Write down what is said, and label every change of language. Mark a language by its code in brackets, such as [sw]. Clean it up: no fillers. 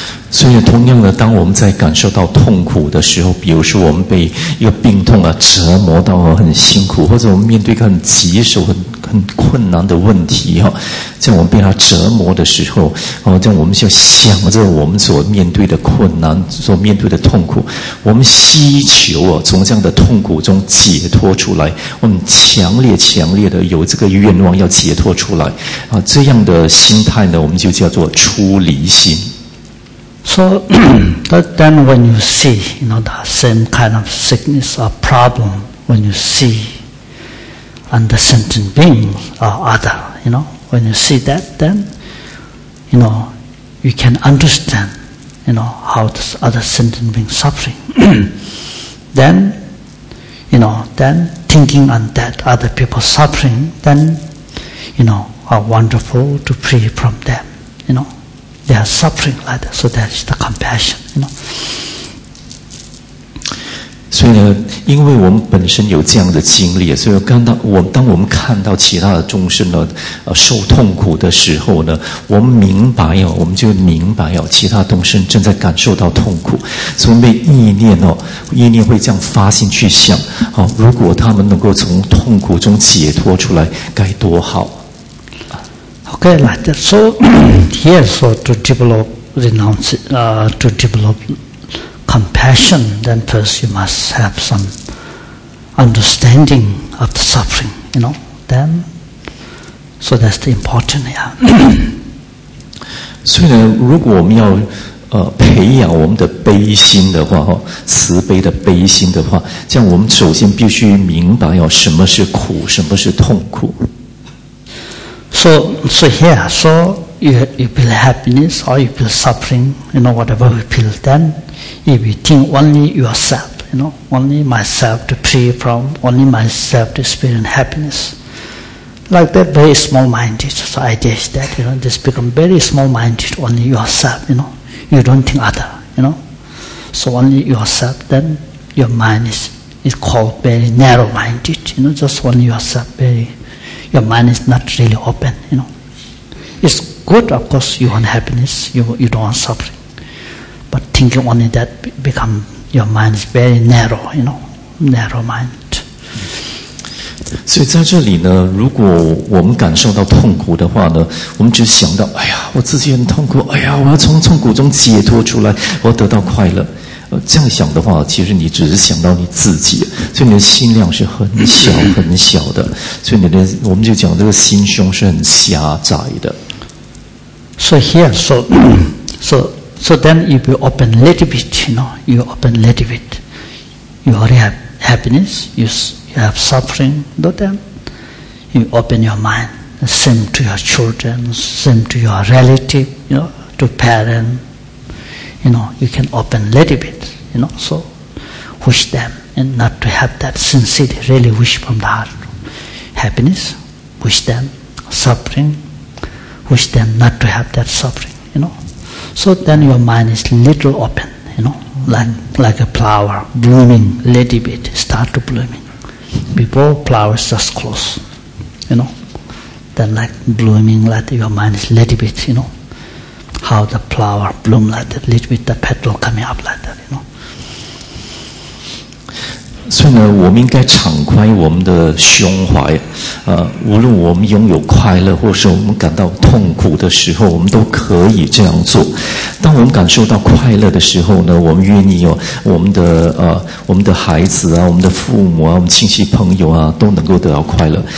[zh] 所以同样的，当我们在感受到痛苦的时候，比如说我们被一个病痛啊折磨到很辛苦，或者我们面对一个很棘手、很困难的问题啊，在我们被它折磨的时候，在我们就想着我们所面对的困难、所面对的痛苦，我们希求啊从这样的痛苦中解脱出来，我们强烈、强烈的有这个愿望要解脱出来啊，这样的心态呢，我们就叫做出离心。 [en] So, but then when you see, you know, the same kind of sickness or problem, when you see on the sentient being or other, you know, when you see that, then, you know, you can understand, you know, how this other sentient being suffering. Then, you know, then thinking on that other people suffering, then, you know, are wonderful to free from them, you know. They are suffering like that, so that's the compassion, you know. [zh] 所以呢，因为我们本身有这样的经历，所以当我们看到其他的众生呢，受痛苦的时候呢，我们明白哦，我们就明白哦，其他众生正在感受到痛苦，所以被意念哦，意念会这样发心去想，好，如果他们能够从痛苦中解脱出来，该多好。 [en] Okay, like that. So, here, so to develop compassion, then first you must have some understanding of the suffering, you know, then, so that's the important, yeah. [zh] 所以呢，如果我们要培养我们的悲心的话，慈悲的悲心的话，这样我们首先必须明白要什么是苦，什么是痛苦。 [en] So here, so you feel happiness or you feel suffering, you know, whatever you feel, then if you think only yourself, you know, only myself to free from, only myself to experience happiness, like that very small-minded, so idea is that, you know, just become very small-minded, only yourself, you know, you don't think other, you know, so only yourself, then your mind is is called very narrow-minded. You know, just only yourself, very, your mind is not really open, you know. It's good, of course, you want happiness, you don't want suffering. But thinking only that become your mind is very narrow, you know, narrow-minded. [zh] 所以在这里呢，如果我们感受到痛苦的话呢，我们只想到，哎呀，我自己很痛苦，哎呀，我要从痛苦中解脱出来，我要得到快乐。这样想的话，其实你只是想到你自己，所以你的心量是很小很小的。所以你的，我们就讲这个心胸是很狭窄的。 [en] So here, so then you will open a little bit, you know, you open a little bit, you already have happiness, you have suffering, not them. You open your mind, same to your children, same to your relative, you know, to parent. You know, you can open a little bit, you know, so wish them, and not to have that sincerely, really wish from the heart. Happiness, wish them, suffering, wish them not to have that suffering, you know. So then your mind is little open, you know, like a flower, blooming a little bit, start to blooming. Before flowers just close, you know, then like blooming, like your mind is a little bit, you know, how the flower bloom like that, little bit the petal coming up like that, you know. [zh] 所以呢，我们应该敞开我们的胸怀，无论我们拥有快乐，或是我们感到痛苦的时候，我们都可以这样做。当我们感受到快乐的时候呢，我们愿意有我们的我们的孩子啊，我们的父母啊，我们亲戚朋友啊，都能够得到快乐。